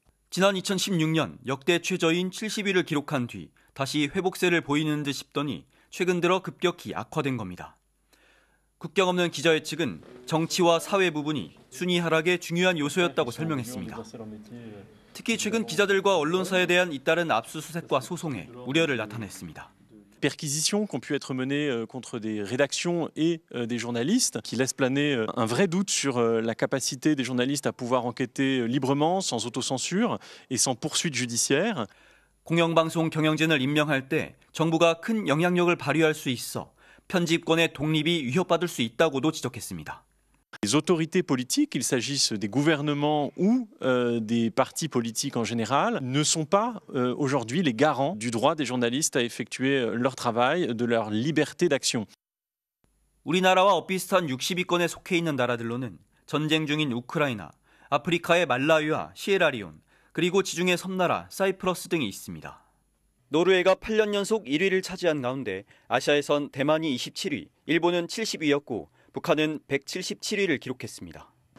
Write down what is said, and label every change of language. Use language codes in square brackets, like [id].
[ko] 지난 2016년 역대 최저인 70위를 기록한 뒤 다시 회복세를 보이는 듯 싶더니 최근 들어 급격히 악화된 겁니다. 국경 없는 기자회 측은 정치와 사회 부분이 순위 하락의 중요한 요소였다고 설명했습니다. 특히 최근 기자들과 언론사에 대한 잇따른 압수수색과 소송에 우려를 나타냈습니다. [fr] Perquisitions qui ont pu être menées contre des rédactions et des journalistes qui laissent planer un vrai doute sur la capacité des journalistes à pouvoir enquêter librement sans autocensure et sans poursuite judiciaire. [ko] 공영방송 경영진을 임명할 때 정부가 큰 영향력을 발휘할 수 있어 편집권의 독립이 위협받을 수 있다고도 지적했습니다. [fr] Les autorités politiques, qu'il s'agisse des gouvernements ou des partis politiques en général, ne sont pas aujourd'hui les garants du droit des journalistes à effectuer leur travail, de leur liberté d'action. [ko] 우리나라와 비슷한 60위권에 속해 있는 나라들로는 전쟁 중인 우크라이나, 아프리카의 말라위와 시에라리온, 그리고 지중해 섬나라 사이프러스 등이 있습니다. 노르웨이가 8년 연속 1위를 차지한 가운데 아시아에선 대만이 27위, 일본은 70위였고 북한은 177위를 기록했습니다.